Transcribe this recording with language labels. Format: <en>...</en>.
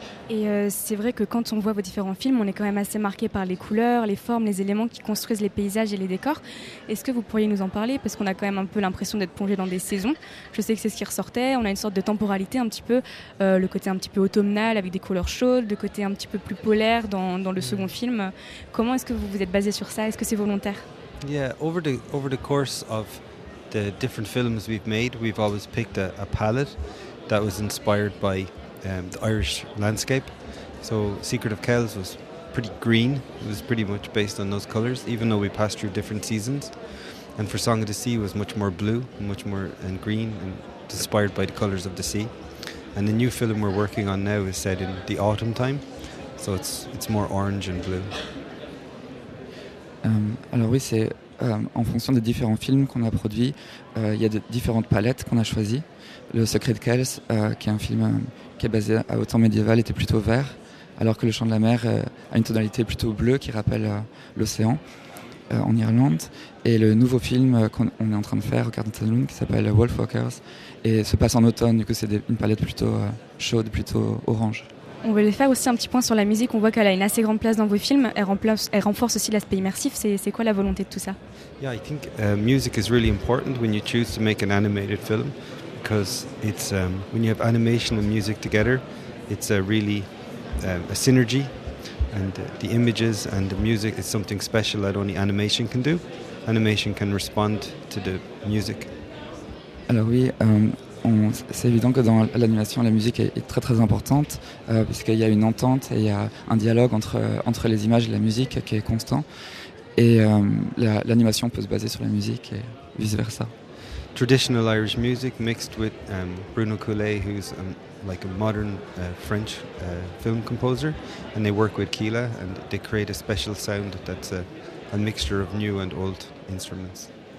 <fr>Et c'est vrai que quand on voit vos différents films, on est quand même assez marqué par les couleurs, les formes, les éléments qui construisent les paysages et les décors. Est-ce que vous pourriez nous en parler? Parce qu'on a quand même un peu l'impression d'être plongé dans des saisons. Je sais que c'est ce qui ressortait. On a une sorte de temporalité un petit peu, le côté un petit peu automnal avec des couleurs chaudes, le côté un petit peu plus polaire dans le second film. Comment est-ce que vous vous êtes basé sur ça? Est-ce que c'est volontaire?</fr> <en>Yeah, over the course of the different films we've made, we've always picked a palette that was inspired by the Irish landscape. So Secret of Kells was pretty green. It was pretty much based on those colours, even though we passed through different seasons. And for Song of the Sea was much more blue, much more and green, and inspired by the colours of the sea. And the new film we're working on now is set in the autumn time, so it's more orange and blue.</en> <fr>Alors oui, c'est en fonction des différents films qu'on a produits, il y a de différentes palettes qu'on a choisies. Le Secret of Kells, qui est un film qui est basé à autant médiéval, était plutôt vert, alors que Le Chant de la Mer a une tonalité plutôt bleue qui rappelle l'océan en Irlande. Et le nouveau film qu'on est en train de faire au Carnival Loon, qui s'appelle Wolfwalkers, et se passe en automne, du coup c'est une palette plutôt chaude, plutôt orange. On voulait faire aussi un petit point sur la musique. On voit qu'elle a une assez grande place dans vos films. Elle renforce aussi l'aspect immersif. C'est quoi la volonté de tout ça?</fr> <en>Yeah, I think music is really important when you choose to make an animated film. Because it's when you have animation and music together, it's a really a synergy, and the images and the music is something special that only animation can do. Animation can respond to the music.</en> <fr>Alors oui, c'est évident que dans l'animation, la musique est très très importante, puisqu'il y a une entente et il y a un dialogue entre les images et la musique qui est constant, et l'animation peut se baser sur la musique et vice versa.</fr> <en>Traditional Irish music mixed with Bruno Coulet, who's like a modern French film composer, and they work with Kila and they create a special sound that's a mixture of new and old instruments.</en>